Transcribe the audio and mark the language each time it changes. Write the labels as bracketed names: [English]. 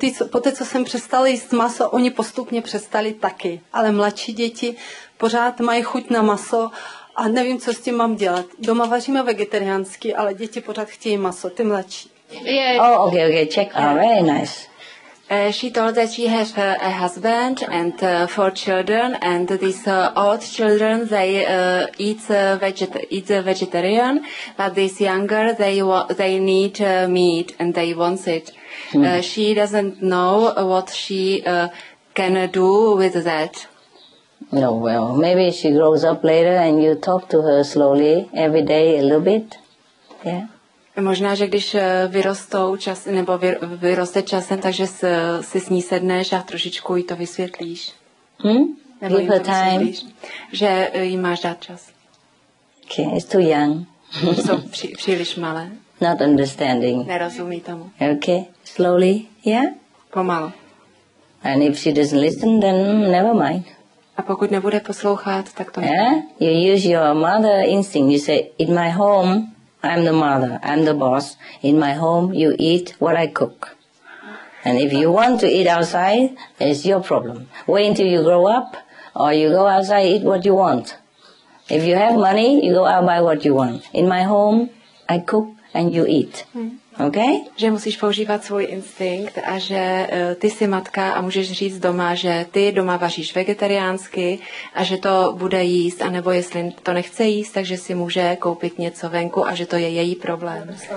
[Czech] Po té, co jsem přestala jíst maso, oni postupně přestali taky. Ale mladší děti pořád mají chuť na maso a nevím, co s tím mám dělat. Doma vaříme vegetariánsky, ale děti pořád chtějí maso, ty mladší. [English] Yeah. Oh, okay, okay, check. Oh, very nice. She told that she has a husband and four children, and these old children, they eat a vegetarian, but these younger, they need meat and they want it. She doesn't know what she can do with that. No, well, maybe she grows up later and you talk to her slowly, every day a little bit, yeah? [Czech] Možná, že když vyrostou čas, nebo vyroste časem, takže si s ní sedneš a trošičku jí to vysvětlíš. Nebo [English] give her time. [Czech] Že jí máš dát čas. [English] Okay, it's too young. [Czech] Jsou příliš malé. [English] Not understanding. [Czech] Nerozumí tomu. [English] Okay, slowly, yeah? [Czech] Pomalu. [English] And if she doesn't listen, then never mind. [Czech] A pokud nebude poslouchat, tak to [English] yeah? [Czech] Nebude. [English] You use your mother instinct. You say, in my home, I'm the mother, I'm the boss. In my home, you eat what I cook. And if you want to eat outside, it's your problem. Wait until you grow up, or you go outside, eat what you want. If you have money, you go out buy what you want. In my home, I cook, and you eat. Mm. Okay? [Czech] Že musíš používat svůj instinkt a že ty jsi matka a můžeš říct doma, že ty doma vaříš vegetariánsky a že to bude jíst, a nebo jestli to nechce jíst, takže si může koupit něco venku a že to je její problém.